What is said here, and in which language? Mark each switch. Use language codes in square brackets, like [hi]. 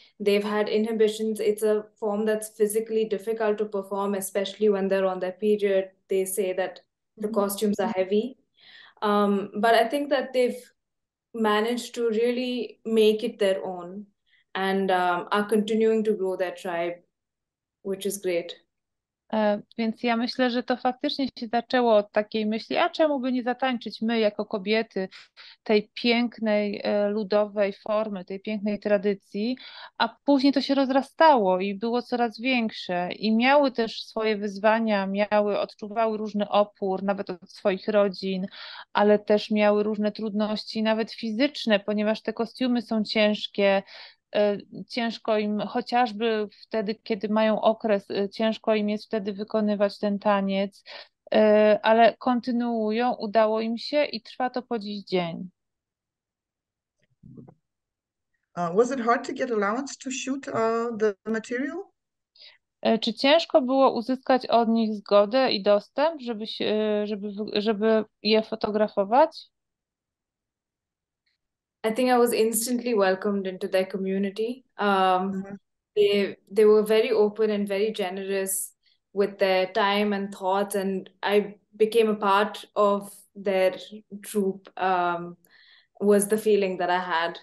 [en] They've had inhibitions. It's a form that's physically difficult to perform, especially when they're on their period. They say that the costumes are heavy. But I think that they've managed to really make it their own and are continuing to grow their tribe, which is great. [pl] Więc ja myślę, że to faktycznie się zaczęło od takiej myśli, a czemu by nie zatańczyć my jako kobiety tej pięknej ludowej formy, tej pięknej tradycji, a później to się rozrastało i było coraz większe i miały też swoje wyzwania, miały, odczuwały różny opór nawet od swoich rodzin, ale też miały różne trudności nawet fizyczne, ponieważ te kostiumy są ciężkie. Ciężko im chociażby wtedy, kiedy mają okres, ciężko im jest wtedy wykonywać ten taniec, ale kontynuują, udało im się i trwa to po dziś dzień. [en] Was it hard to get allowance to shoot the material? [pl] Czy ciężko było uzyskać od nich zgodę i dostęp, żeby je fotografować? [en] I think I was instantly welcomed into their community. They were very open and very generous with their time and thoughts, and I became a part of their troop, was the feeling that I had.